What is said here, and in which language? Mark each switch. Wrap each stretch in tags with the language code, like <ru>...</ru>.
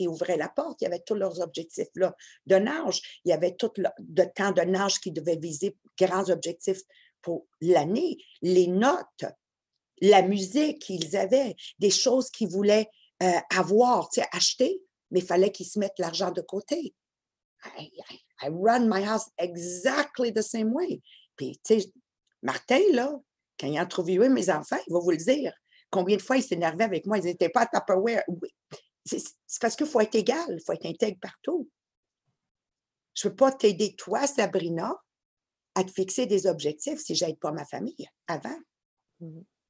<fr>Ils ouvraient la porte. Il y avait tous leurs objectifs là, de nage. Il y avait tout le temps de nage qu'ils devaient viser grands objectifs pour l'année. Les notes, la musique qu'ils avaient, des choses qu'ils voulaient avoir, tu sais, acheter, mais il fallait qu'ils se mettent l'argent de côté.</fr> <en>I run my house exactly the same way.</en> <fr>Puis, tu sais, Martin, là, quand il a interviewé mes enfants, il va vous le dire. Combien de fois il s'énervait avec moi, ils n'étaient pas à Tupperware. Oui. C'est parce qu'il faut être égal, il faut être intègre partout. Je ne peux pas t'aider, toi, Sabrina, à te fixer des objectifs si je n'aide pas ma famille avant. Mm-hmm.</fr>